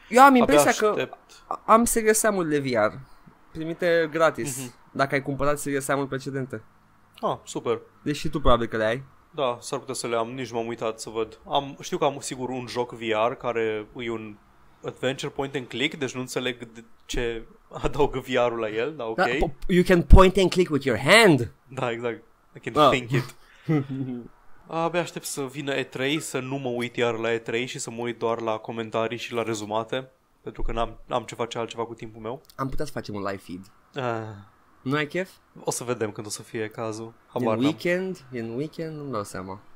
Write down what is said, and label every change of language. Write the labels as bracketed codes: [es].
[ro] Eu am impresia că am Serious Sam-ul de VR, primite gratis, dacă ai cumpărat Serious Sam-ul precedente. Ah, super. Deși tu probabil că le ai. Da, s-ar putea să le am, nici m-am uitat să văd. Știu că am sigur un joc VR care e un adventure point and click, deci nu înțeleg de ce adaugă VR-ul la el, dar ok. Da, [en] you can point and click with your hand. [ro] Da, exact. [en] I can think it. [ro] Abia aștept să vină E3, să nu mă uit iar la E3 și să mă uit doar la comentarii și la rezumate, pentru că n-am ce face altceva cu timpul meu. Am putea să facem un live feed. Nu ai chef? O să vedem când o să fie cazul. Habar n-am. In weekend? Nu-mi dau seama.